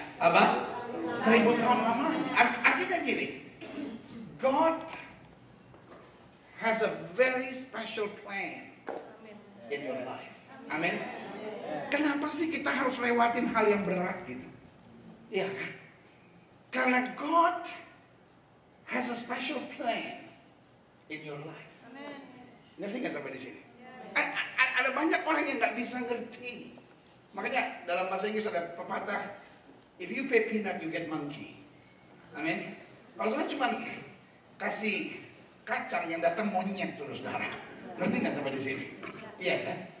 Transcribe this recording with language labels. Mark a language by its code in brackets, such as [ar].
[id] Apa? 1000 tahun lamanya. Artinya gini, [en] God has a very special plan in your life. Amin. [id] Kenapa sih kita harus lewatin hal yang berat gitu? Ya kan? Karena [en] God has a special plan in your life. [id] Amin. Ngerti gak sampai di sini? Ada banyak orang yang gak bisa ngerti. Makanya dalam bahasa Inggris ada pepatah, [en] if you pay peanut, you get monkey. [id] Amin. Kalau sebenarnya cuma kasih kacang yang datang monyet terus, saudara. Ngerti gak sampai di sini? Iya kan?